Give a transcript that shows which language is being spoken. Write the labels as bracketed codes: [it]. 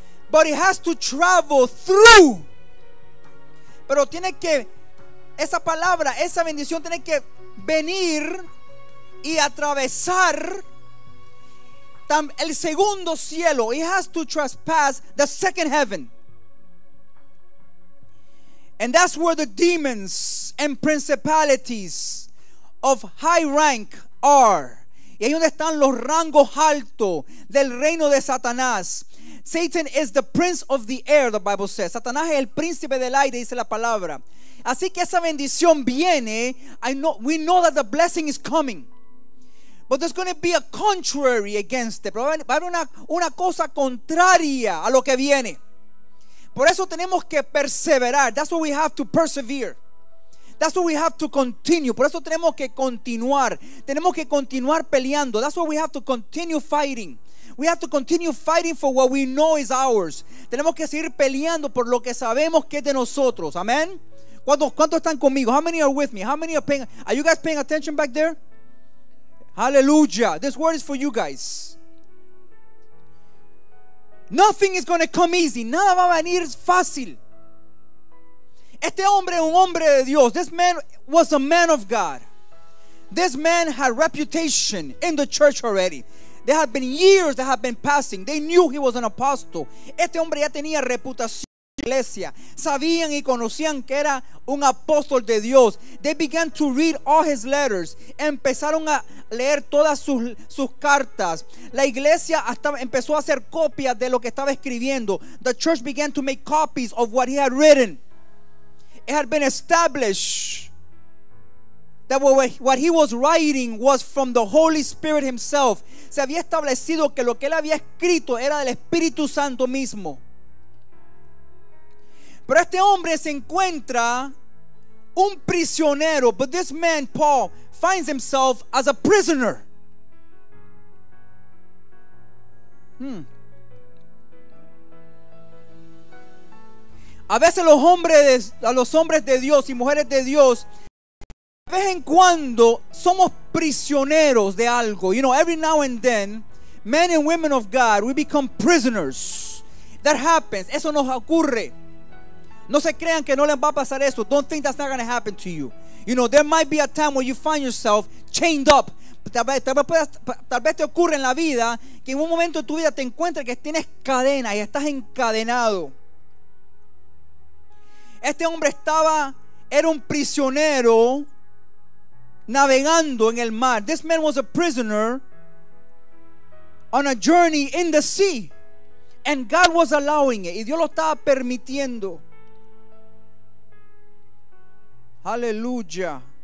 [en] But it has to travel through. [es] Pero tiene que, esa palabra, esa bendición tiene que venir y atravesar el segundo cielo. [en] It has to trespass the second heaven. And that's where the demons and principalities of high rank are. [es] Y ahí donde están los rangos altos del reino de Satanás. [en] Satan is the prince of the air, the Bible says. [es] Satanás es el príncipe del aire, dice la palabra. Así que esa bendición viene. [en] We know that the blessing is coming. But there's going to be a contrary against it. [es] Va a haber una cosa contraria a lo que viene. Por eso tenemos que perseverar. [en] That's what we have to persevere. That's what we have to continue. [es] Por eso tenemos que continuar. Tenemos que continuar peleando. [en] That's what we have to continue fighting. We have to continue fighting for what we know is ours. [es] Tenemos que seguir peleando por lo que sabemos que es de nosotros. [en] Amen. [es] ¿Cuántos están conmigo? [en] How many are with me? How many are paying? Are you guys paying attention back there? Hallelujah. This word is for you guys. Nothing is going to come easy. [es] Nada va a venir fácil. Este hombre es un hombre de Dios. [en] This man was a man of God. This man had reputation in the church already. There had been years that had been passing. They knew he was an apostle. [es] Este hombre ya tenía reputación en la iglesia. Sabían y conocían que era un apóstol de Dios. [en] They began to read all his letters. [es] Empezaron a leer todas sus cartas. La iglesia hasta empezó a hacer copias de lo que estaba escribiendo. [en] The church began to make copies of what he had written. It had been established that what he was writing was from the Holy Spirit himself. [es] Se había establecido que lo que él había escrito era del Espíritu Santo mismo. Pero este hombre se encuentra un prisionero. [en] But this man, Paul, finds himself as a prisoner. [es] A veces los hombres de Dios y mujeres de Dios, de vez en cuando somos prisioneros de algo. [en] You know, every now and then, men and women of God, we become prisoners. That happens. [es] Eso nos ocurre. No se crean que no les va a pasar eso. [en] Don't think that's not going to happen to you. You know, there might be a time where you find yourself chained up. [es] Tal vez te ocurre en la vida que en un momento de tu vida te encuentres que tienes cadena y estás encadenado. Este hombre era un prisionero navegando en el mar. [en] This man was a prisoner on a journey in the sea, and God was allowing it. [es] Y Dios lo estaba permitiendo. [en] Hallelujah.